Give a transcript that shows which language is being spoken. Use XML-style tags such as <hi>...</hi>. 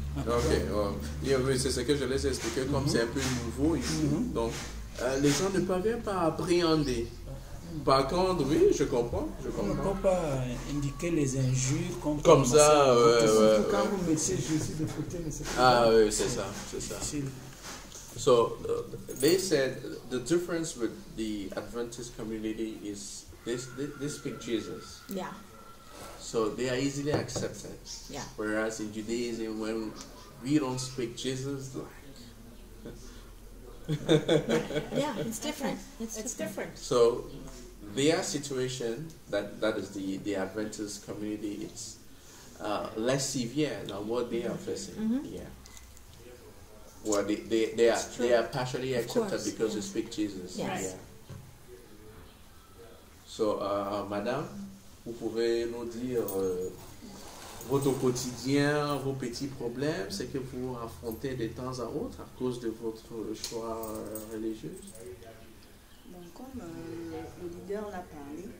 <fr>Ok. Oui, c'est ce que je laisse expliquer. Comme c'est un peu nouveau ici, donc les gens ne parviennent pas à appréhender. Par contre, oui, je comprends. On ne peut pas indiquer les injures comme ça. Quand vous mettez Jésus de côté, mais c'est pas. Ah oui, c'est ça.</fr> <en>So they said the difference with the Adventist community is they speak Jesus. Yeah. So they are easily accepted. Yeah. Whereas in Judaism, when we don't speak Jesus, like. Yeah, it's different. It's different. So their situation, that is the Adventist community, it's less severe than what they are facing. Mm-hmm. Yeah. Well, they are partially accepted, course, because they speak Jesus. Yes. Yeah.</en> <fr>So, madame, vous pouvez nous dire votre quotidien, vos petits problèmes, c'est que vous affrontez de temps à autre à cause de votre choix religieux. Bon, comme le leader l'a parlé,</fr>